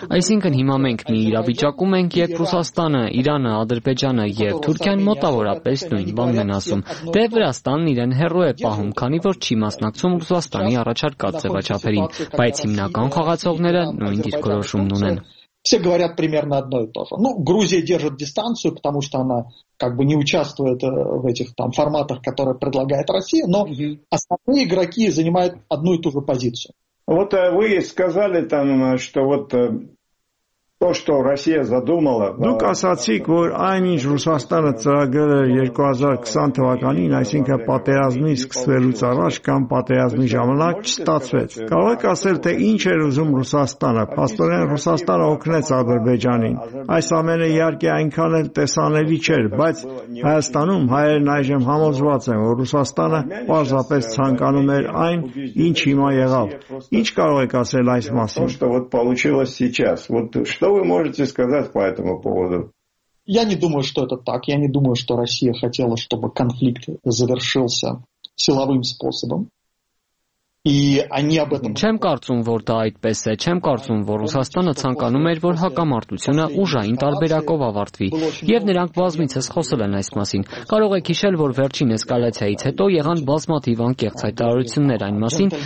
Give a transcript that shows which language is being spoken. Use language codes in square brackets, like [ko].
[hy] այսինքն հիմա մենք մի իրավիճակում ենք, երբ Ռուսաստանը, Իրանը, Ադրբեջանը և Թուրքիան մոտավորապես նույն բանն են ասում, դե Վրաստանն իրեն հեռու է պահում, քանի որ չի մասնակցում Ռուսաստանի առաջարկած ձևաչափերին, բայց հիմնական խաղացողները նույն դիրքորոշումն ունեն։ [ru] Все говорят примерно одно и то же. Ну, Грузия держит дистанцию, потому что она как бы не участвует в этих там форматах, которые предлагает Россия, но основные игроки занимают одну и ту же позицию. Вот вы сказали там, что вот то, что Россия задумала... Ну, [hy] касацик, [ru] вот [hy] айминж Русастана царагэр 2020 թվականին, այսինքն պատերազմի սկսվելուց առաջ կամ պատերազմի ժամանակ չստացվեց։ Կարող եք ասել, թե ինչ էր ուզում Ռուսաստանը։ Փաստորեն Ռուսաստանը օգնեց Ադրբեջանին։ Այս ամենը իհարկե այնքան էլ տեսանելի չէր, բայց Հայաստանում հայերն այժմ համոզված են, որ Ռուսաստանը պարզապես ցանկանում էր այն, ինչ հիմա եղավ։ Ինչ կարող եք ասել այս մասին։ [ru] Что вы можете сказать по этому поводу? Я не думаю, что это так. Я не думаю, что Россия хотела, чтобы конфликт завершился силовым способом. [hy] Չեմ կարծում, որ դա այդպես է, չեմ կարծում, որ Ռուսաստանը ցանկանում էր, որ հակամարտությունը ուժային տարբերակով ավարտվի, և նրանք բազմիցս խոսել են այս մասին։ Կարող եք հիշել, որ վերջին էսկալացիայից հետո եղան բազմաթիվ անկեղծ հայտարարություններ այն մասին,